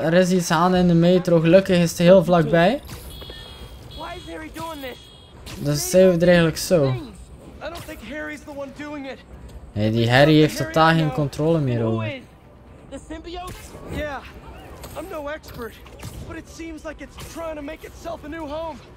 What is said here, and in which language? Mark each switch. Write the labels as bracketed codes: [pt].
[nl] Er is iets aan in de metro. Gelukkig is het heel vlakbij. [en] Why is Harry doing this? [nl] Dus zijn we er eigenlijk zo. [en] I don't think Harry's the one doing it. [nl] Hey, die Harry heeft totaal geen controle meer over. [en] The symbiote? Yeah. I'm no expert, but it seems like it's trying to make itself a new home.